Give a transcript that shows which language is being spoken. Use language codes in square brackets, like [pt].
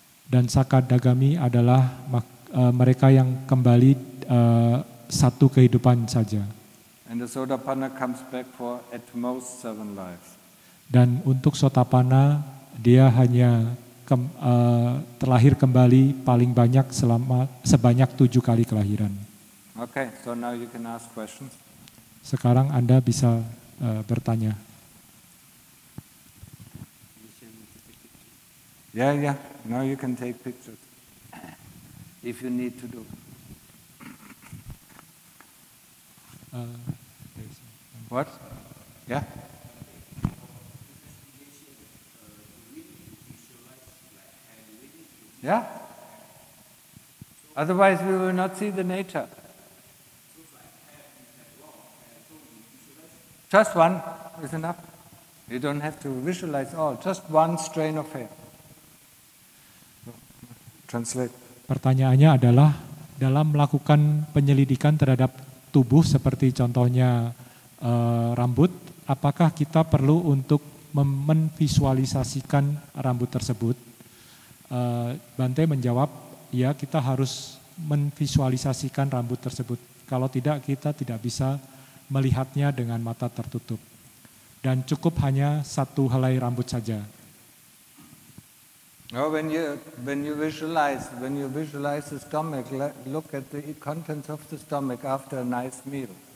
[id] Dan Sakadagami adalah mereka yang kembali satu kehidupan saja. [en] And the sotapanna comes back for at most 7 lives. [id] Dan untuk sotapanna dia hanya terlahir kembali paling banyak sebanyak 7 kali kelahiran. [en] Okay, so now you can ask questions. [id] Sekarang Anda bisa bertanya. [en] Yeah. Now you can take pictures if you need to do. What? Yeah. Yeah. Otherwise, we will not see the nature. Just one is enough. You don't have to visualize all. Just one strain of hair. Translate. [id] Pertanyaannya adalah dalam melakukan penyelidikan terhadap tubuh seperti contohnya rambut, apakah kita perlu untuk memvisualisasikan rambut tersebut? Bante menjawab, ya kita harus memvisualisasikan rambut tersebut. Kalau tidak, kita tidak bisa melihatnya dengan mata tertutup. Dan cukup hanya satu helai rambut saja. [en] Oh, when you visualize the stomach, look at the contents of the stomach after a nice meal.